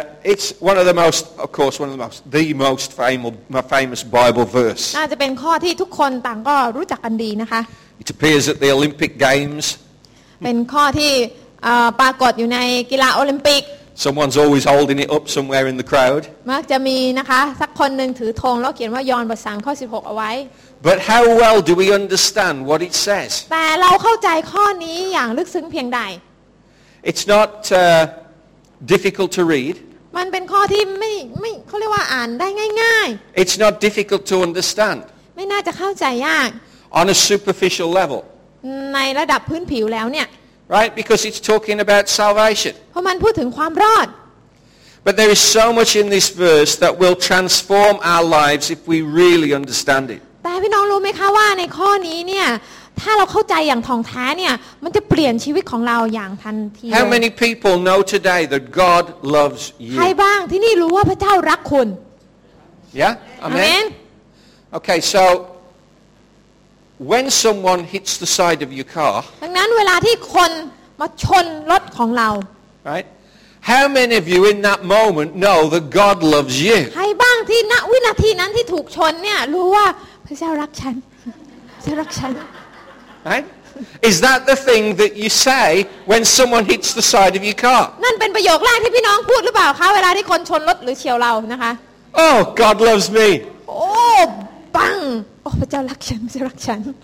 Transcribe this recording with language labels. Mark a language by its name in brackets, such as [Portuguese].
[English] It's one of the most, of course, one of the most, the most famous Bible verse. [Thai] น่าจะเป็นข้อที่ทุกคนต่างก็รู้จักกันดีนะคะ [English] It appears at the Olympic Games. [Thai] เป็นข้อที่ปรากฏอยู่ในกีฬาโอลิมปิก [English] Someone's always holding it up somewhere in the crowd. [Thai] มักจะมีนะคะสักคนหนึ่งถือธงแล้วเขียนว่ายอห์นบทสามข้อสิบหกเอาไว้ [English] But how well do we understand what it says? [Thai] แต่เราเข้าใจข้อนี้อย่างลึกซึ้งเพียงใด [English] It's not difficult to read [Thai] มันเป็นข้อที่ไม่เค้าเรียกว่าอ่านได้ง่าย [English] ๆ It's not difficult to understand [Thai] ไม่น่าจะเข้าใจยาก [English] On a superficial level [Thai] ในระดับพื้นผิวแล้วเนี่ย [English] Right because it's talking about salvation [Thai] เพราะมันพูดถึงความรอด [English] But there is so much in this verse that will transform our lives if we really understand it [Thai] แต่พี่น้องรู้มั้ยคะว่าในข้อนี้เนี่ยถ้าเราเข้าใจอย่างท่องแท้เนี่ยมันจะเปลี่ยนชีวิตของเราอย่างทันที [English] How many people know today that God loves you [Thai] ใครบ้างที่นี่รู้ว่าพระเจ้ารักคุณ [English] Yeah Amen Okay so when someone hits the side of your car [Thai] ดังนั้นเวลาที่คนมาชนรถของเรา [English] Right How many of you in that moment know that God loves you [Thai] ใครบ้างที่ณวินาทีนั้นที่ถูกชนเนี่ยรู้ว่าพระเจ้ารักฉันจะรักฉัน [English] Right? Is that the thing that you say when someone hits the side of your car? [Thai] นั่นเป็นประโยคแรกที่พี่น้องพูดหรือเปล่าคะเวลาที่คนชนรถหรือเฉี่ยวเรานะคะ [English] Oh, God loves me. Oh, bang. [Thai] โอ้พระเจ้ารักฉันพระเจ้ารักฉัน